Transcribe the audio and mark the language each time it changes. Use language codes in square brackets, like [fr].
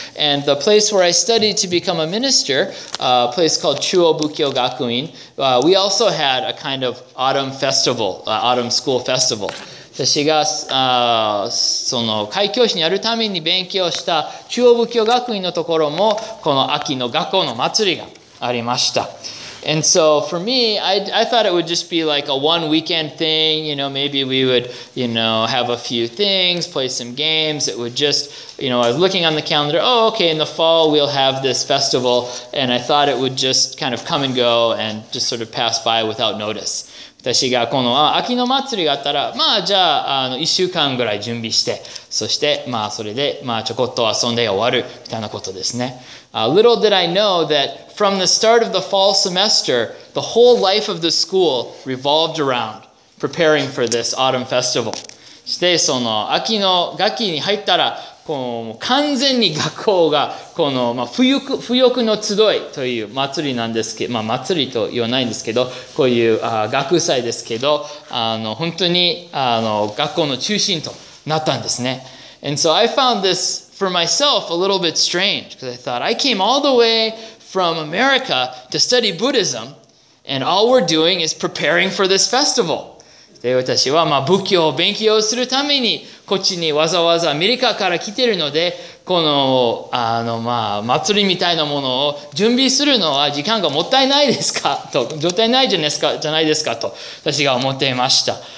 [en] And the place where I studied to become a minister, a place called Chuo Bukyo Gakuin, we also had a kind of autumn festival, autumn school festival. [ja] 私がその開教師になるために勉強した中央仏教学院のところもこの秋の学校の祭りがありました。 [en] And so for me, I thought it would just be like a one weekend thing. You know, maybe we would, you know, have a few things, play some games. It would just, you know, I was looking on the calendar. Oh, okay, in the fall we'll have this festival, and I thought it would just kind of come and go and just sort of pass by without notice. [ja] 私がこの秋の祭りがあったら、まあじゃあ、一週間ぐらい準備して、そして、まあそれで、まあちょこっと遊んで終わる、みたいなことですね。 [en] Little did I know that from the start of the fall semester, the whole life of the school revolved around preparing for this autumn festival. [ja] して、その秋の学期に入ったら、こう完全に学校がこの、まあ、浮欲の集いという祭りなんですけど、まあ、祭りと言わないんですけど、こういう学祭ですけど、本当に学校の中心となったんですね。 [en] And so I found this for myself a little bit strange because I thought I came all the way from America to study Buddhism and all we're doing is preparing for this festival. [ja] で私はまあ仏教を勉強するためにこっちにわざわざアメリカから来ているのでこのまあ祭りみたいなものを準備するのは時間がもったいないですかと状態ないじゃないですかと私が思っていました。